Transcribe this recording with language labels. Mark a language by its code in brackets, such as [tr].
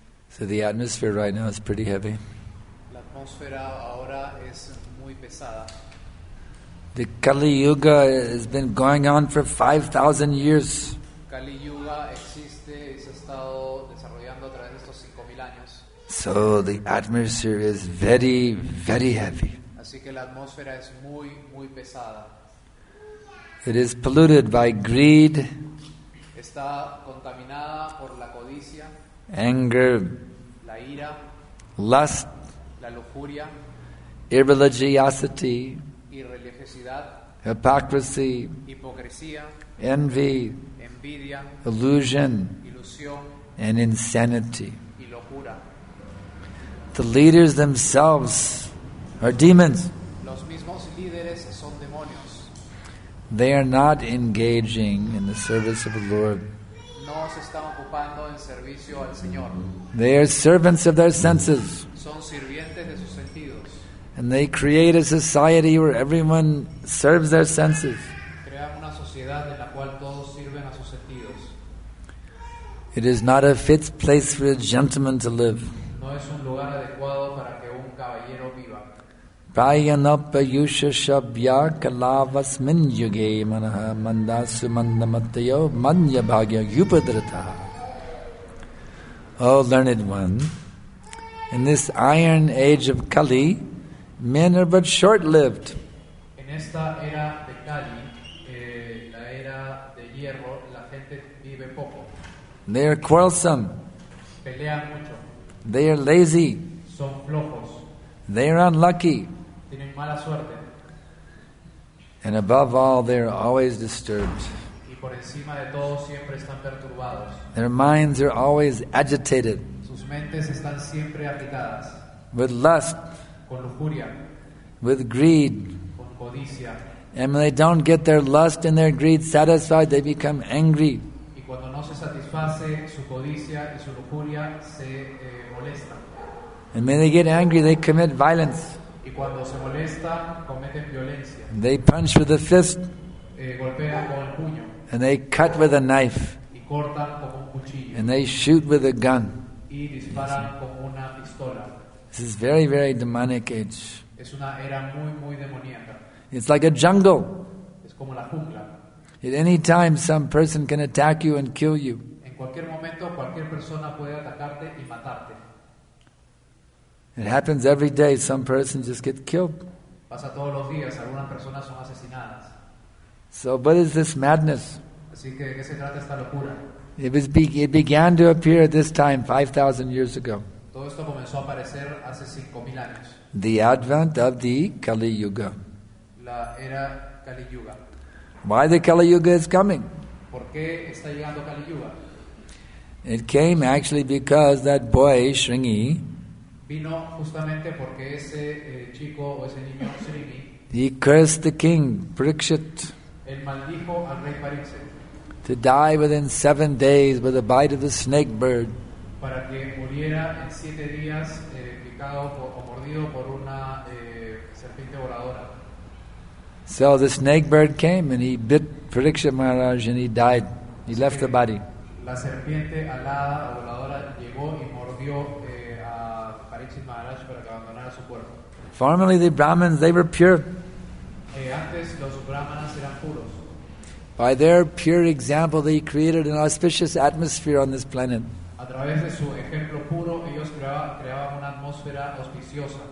[en] So the atmosphere right now is pretty heavy. [es] La atmósfera ahora es muy pesada. [en] The Kali Yuga has been going on for 5,000 years. [es] Kali Yuga existe y se ha estado desarrollando a través de estos 5,000 años. [en] So the atmosphere is very, very heavy. [es] Así que la atmósfera es muy, muy pesada. [en] It is polluted by greed. [es] Está contaminada por la codicia. [en] Anger. [es] La ira. [en] Lust. [es] La lujuria. [en] Irreligiosity. [es] Irreligiosidad. [en] Hypocrisy. [es] Hipocresía. [en] Envy. [es] Envidia. [en] Illusion. [es] Ilusión. [en] And insanity. [es] Y locura. [en] The leaders themselves are demons. [es] Los mismos líderes son demonios. [en] They are not engaging in the service of the Lord. [es] No se están ocupando en servicio al Señor. [en] They are servants of their senses. [es] Son sirvientes de sus sentidos. [en] And they create a society where everyone serves their senses. [es] Crean una sociedad en la cual todos sirven a sus sentidos. [en] It is not a fit place for a gentleman to live. [es] No es un lugar adecuado para que un caballero viva. [sa] Prayanapa yusha shabya kalavas min yuge manaha mandasu mandamatyo manya bhagya yupadrata. [en] O learned one, in this iron age of Kali, men are but short-lived. [es] En esta era de Kali, la era de hierro, la gente vive poco. [en] They are quarrelsome. [es] Pelean mucho. [en] They are lazy. [es] Son flojos. [en] They are unlucky. [es] Tienen mala suerte. [en] And above all, they are always disturbed. [es] Y por encima de todo, siempre están perturbados. [en] Their minds are always agitated. [es] Sus mentes están siempre agitadas. [en] With lust. [es] Con lujuria, [en] with greed. [es] Con codicia. [en] And when they don't get their lust and their greed satisfied, they become angry. [es] Y cuando no se satisface su codicia y su lujuria, se molesta. [en] And when they get angry, they commit violence. [es] Y cuando se molesta, cometen violencia. [en] They punch with a fist. [es] Golpean con el puño. [en] And they cut with a knife. [es] Y cortan con un cuchillo. [en] And they shoot with a gun. [es] Y disparan con una pistola. [en] This is very, very demonic age. [es] Es una era muy, muy demoníaca. [en] It's like a jungle. [es] Es como la jungla. [en] At any time, some person can attack you and kill you. [es] En cualquier momento, cualquier persona puede atacarte y matarte. [en] It happens every day. Some person just gets killed. [es] Pasa todos los días. Algunas personas son asesinadas. [en] So, what is this madness? [es] Así que, ¿de qué se trata esta locura? [en] It began to appear at this time 5,000 years ago. [es] Todo esto comenzó a aparecer hace 5,000 años. [en] The advent of the Kali Yuga. [es] La era Kali Yuga. [en] Why the Kali Yuga is coming? [es] ¿Por qué está llegando Kali Yuga? [en] It came actually because that boy, Sringi, [es] vino justamente porque ese chico o ese niño, Sringi, [en] he cursed the king, Parikshit, [es] el maldijo al rey Parikshit, [en] to die within 7 days with a bite of the snake bird. [es] Para que muriera en 7 días picado o mordido por una serpiente voladora. [en] So the snake bird came and he bit Pariksit Maharaj and he died. He left the body. [es] La serpiente alada o voladora llegó y mordió a Pariksit Maharaj para que abandonara su cuerpo. [en] Formerly the Brahmins, they were pure. [es] Antes los Brahmanas eran puros. [en] By their pure example, they created an auspicious atmosphere on this planet. [es] A través de su ejemplo puro, ellos creaban una atmósfera auspiciosa.